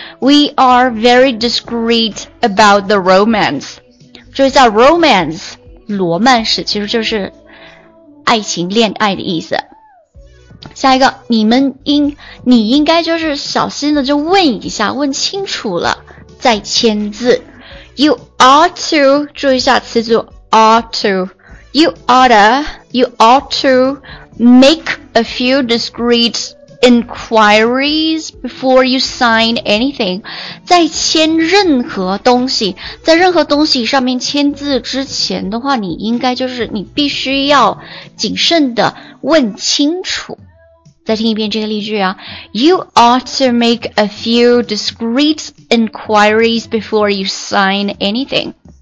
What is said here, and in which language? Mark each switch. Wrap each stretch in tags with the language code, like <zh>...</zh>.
<en>We are very discreet about the romance.</en> <zh>注意一下 romance, 罗曼史其实就是爱情、恋爱的意思。下一个，你应该就是小心的就问一下，问清楚了再签字。</zh> <en>You ought to,</en> <zh>注意一下词组</zh> <en>ought to, you ought to make a few discreet inquiries before you sign anything.</en> <zh>在签任何东西，在任何东西上面签字之前的话，你应该就是你必须要谨慎的问清楚。再听一遍这个例句啊，</zh> <en>You ought to make a few discreet inquiries before you sign anything.</en>